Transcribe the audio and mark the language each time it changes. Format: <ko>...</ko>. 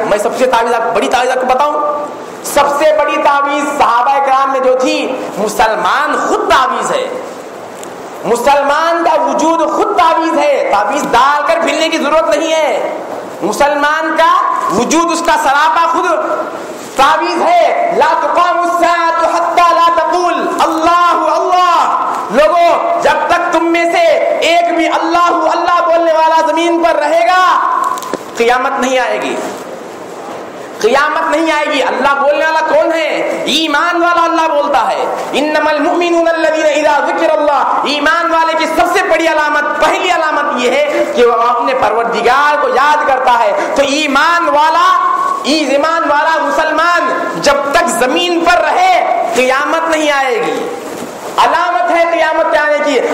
<ur>میں سب سے بڑی تعویذ آپ کو بتاؤں, سب سے بڑی تعویذ صحابہ کرام میں جو تھی, مسلمان خود تعویذ ہے, مسلمان کا وجود خود تعویذ ہے. تعویذ ڈال کر پھرنے کی ضرورت نہیں ہے, مسلمان کا وجود اس کا سراپا خود تعویذ ہے.</ur> <ar>لا تقام الساعة حتى لا تقول اللہ اللہ.</ar> <ur>لوگو جب تک تم میں سے ایک بھی اللہ اللہ بولنے والا زمین پر رہے گا قیامت نہیں آئے گی, قیامت نہیں آئے گی. اللہ بولنے والا کون ہے؟ ایمان والا اللہ بولتا ہے.</ur> <ar>انما المؤمنون الذين اذا ذكر الله.</ar> <ur>ایمان والے کی سب سے بڑی علامت, پہلی علامت یہ ہے کہ وہ اپنے پروردگار کو یاد کرتا ہے. تو ایمان والا مسلمان جب تک زمین پر رہے قیامت نہیں آئے گی, علامت ہے قیامت کے آنے کی.</ur>